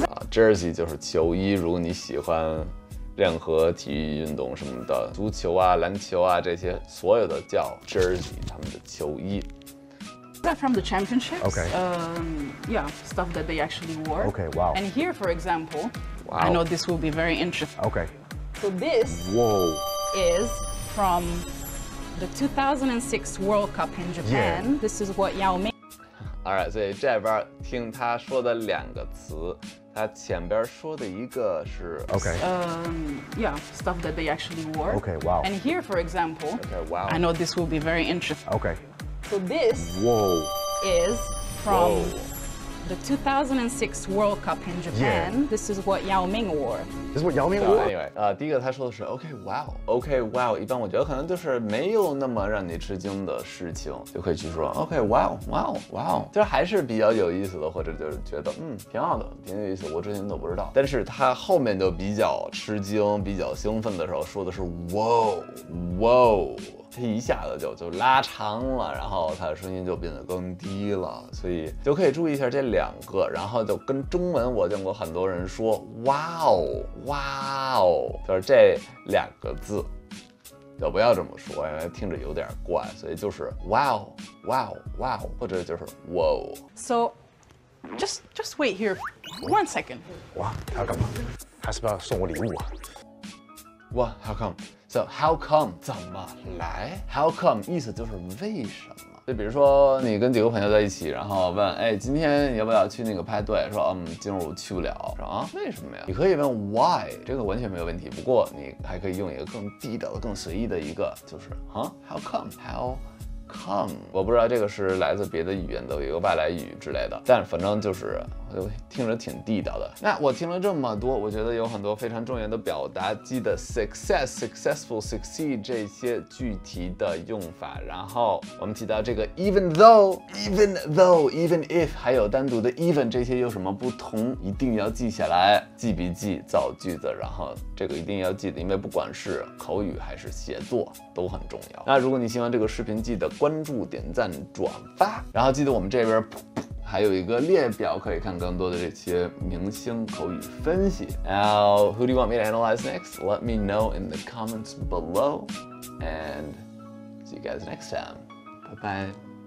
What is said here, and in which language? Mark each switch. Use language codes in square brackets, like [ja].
[zh] Jersey 就是球衣，如果你喜欢任何体育运动什么的，足球啊、篮球啊这些，所有的叫 Jersey， 他们的球衣。 [en] These are from the championships. Okay. Yeah, stuff that they actually wore. Okay. Wow. And here, for example,、 wow. I know this will be very interesting. Okay. So this、 Whoa. is from the 2006 World Cup in Japan.、 Yeah. This is what Yao Ming. All right, [zh] 所以这边听他说的两个词，他前边说的一个是 [en] okay, yeah, stuff that they actually wore. Okay, wow. And here, for example, okay, wow. I know this will be very interesting. Okay. So this whoa is from whoa. the 2006 World Cup in Japan. Yeah. This is what Yao Ming wore. This is what Yao Ming wore. Anyway, [zh] 第一个他说的是 [en] OK, wow. [zh] 一般我觉得可能就是没有那么让你吃惊的事情，就可以去说 [en] OK, wow. [zh] 其实还是比较有意思的，或者就是觉得挺好的，挺有意思。我之前都不知道，但是他后面就比较吃惊、比较兴奋的时候说的是 [en] Whoa. [zh] 他一下子就拉长了，然后他的声音就变得更低了，所以就可以注意一下这两个。然后就跟中文，我见过很多人说哇哦哇哦，就是这两个字就不要这么说，因为听着有点怪，所以就是哇哦哇哦哇哦，或者就是哇哦。 [en] So just wait here one second. [zh] 哇，他要干嘛？他是不是要送我礼物啊？哇， [en] how comeSo how come [zh] 怎么来 ？ [en] How come [zh] 意思就是为什么？就比如说你跟几个朋友在一起，然后问，哎，今天要不要去那个派对？说，今儿我去不了。说啊，为什么呀？你可以问 why， 这个完全没有问题。不过你还可以用一个更地道的、更随意的一个，就是啊 ， [en] how come how。 Come， [zh] 我不知道这个是来自别的语言的一个外来语之类的，但反正就是听着挺地道的。那我听了这么多，我觉得有很多非常重要的表达，记得 success、successful、succeed 这些具体的用法。然后我们提到这个 even though, even if， 还有单独的 even， 这些有什么不同，一定要记下来，记笔记，造句子，然后这个一定要记得，因为不管是口语还是写作都很重要。那如果你希望这个视频记得。关注、点赞、转发，然后记得我们这边还有一个列表，可以看更多的这些明星口语分析。 [en] Now, who do you want me to analyze next? Let me know in the comments below, and see you guys next time. Bye bye.